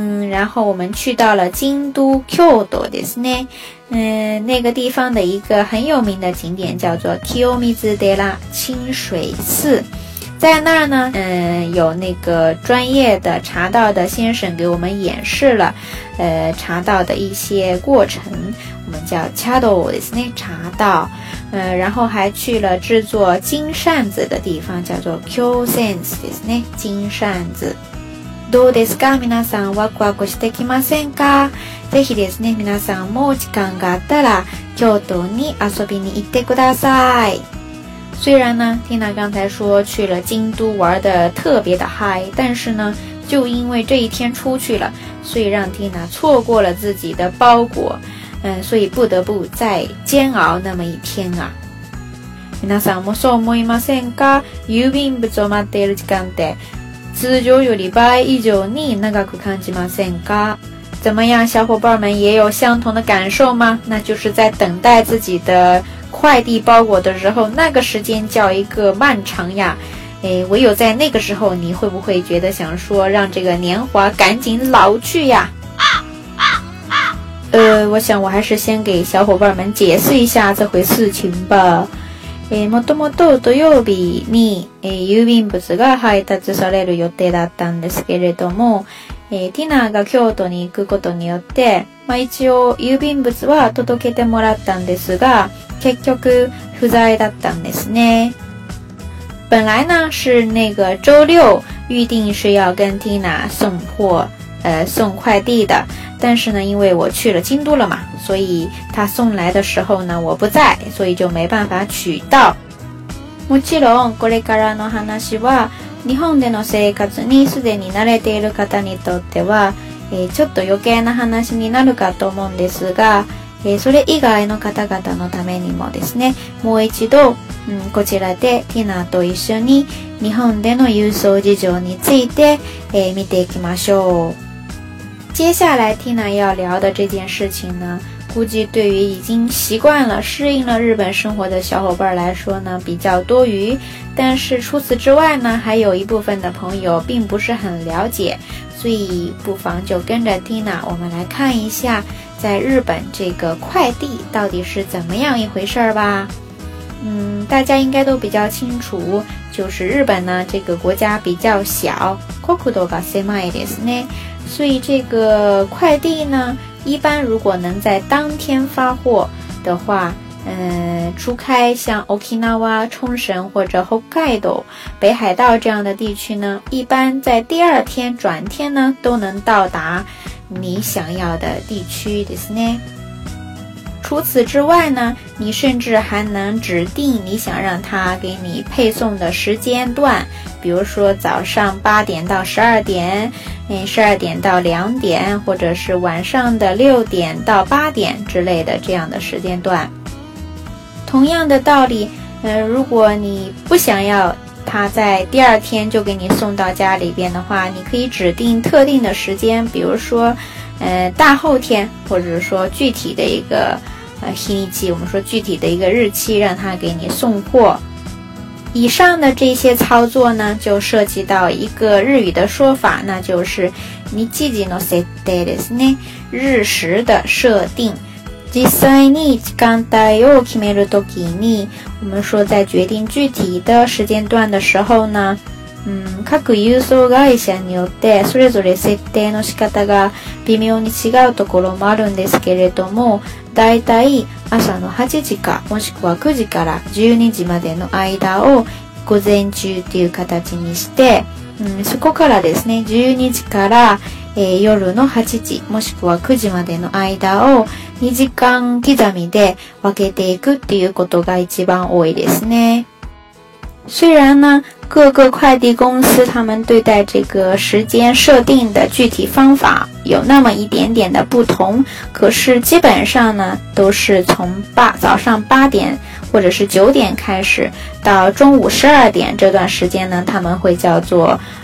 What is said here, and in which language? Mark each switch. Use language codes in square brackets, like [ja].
[zh] 然后我们去到了京都京都ですね，那个地方的一个很有名的景点叫做清水寺，清水寺。在那儿呢，有那个专业的茶道的先生给我们演示了，茶道的一些过程，我们叫茶道ですね，茶道。然后还去了制作金扇子的地方，叫做 Q-Sense ですね，金扇子。 [ja] どうですか？皆さんワクワクしてきませんか？ぜひですね、皆さんも時間があったら京都に遊びに行ってください。 [zh] 虽然呢蒂娜刚才说去了京都玩得特别的嗨，但是呢就因为这一天出去了，所以让蒂娜错过了自己的包裹，所以不得不再煎熬那么一天啊。 [ja] 皆さんもそう思いませんか？郵便物を待っている時間って通常より倍以上に長く感じませんか？ [zh] 怎么样，小伙伴们也有相同的感受吗？那就是在等待自己的快递包裹的时候，那个时间叫一个漫长呀，唯有在那个时候，你会不会觉得想说让这个年华赶紧老去呀？我想我还是先给小伙伴们解释一下这回事情吧。 [ja] もともと土曜日に、郵便物が配達される予定だったんですけれども、ティナが京都に行くことによって、一応郵便物は届けてもらったんですが、結局不在だったんですね。 [zh] 本来呢是那个周六预定是要跟 Tina 送货送快递的，但是呢因为我去了京都了嘛，所以他送来的时候呢我不在，所以就没办法取到。 [ja] もちろんこれからの話は日本での生活にすでに慣れている方にとっては、ちょっと余計な話になるかと思うんですが、それ以外の方々のためにもですね、もう一度、こちらでティナと一緒に日本での郵送事情について、見ていきましょう。 [zh] 接下来ティナ要聊的这件事情呢，估计对于已经习惯了适应了日本生活的小伙伴来说呢比较多余，但是除此之外呢还有一部分的朋友并不是很了解，所以不妨就跟着 Tina 我们来看一下在日本这个快递到底是怎么样一回事吧。大家应该都比较清楚，就是日本呢这个国家比较小， [ja] 国土が狭いですね， [zh] 所以这个快递呢一般如果能在当天发货的话，除开像 Okinawa、冲绳或者 Hokkaido、北海道这样的地区呢，一般在第二天转天呢都能到达你想要的地区ですね。除此之外呢，你甚至还能指定你想让他给你配送的时间段，比如说早上8点到12点，12点到2点，或者是晚上的6点到8点之类的这样的时间段。同样的道理，如果你不想要他在第二天就给你送到家里边的话，你可以指定特定的时间，比如说大后天，或者说具体的一个日にち，我们说具体的一个日期让他给你送货。以上的这些操作呢就涉及到一个日语的说法，那就是 [ja] 日時の設定ですね， [zh] 日时的设定。 [ja] 実際に時間帯を決めるときに， [zh] 我们说在决定具体的时间段的时候呢， [ja] 各郵送会社によってそれぞれ設定の仕方が微妙に違うところもあるんですけれども、大体朝の8時かもしくは9時から12時までの間を午前中という形にして、そこからですね12時から、夜の8時もしくは9時までの間を2時間刻みで分けていくっていうことが一番多いですね。 [zh] 虽然呢各个快递公司他们对待这个时间设定的具体方法有那么一点点的不同，可是基本上呢都是从早上8点或者是9点开始，到中午12点这段时间呢他们会叫做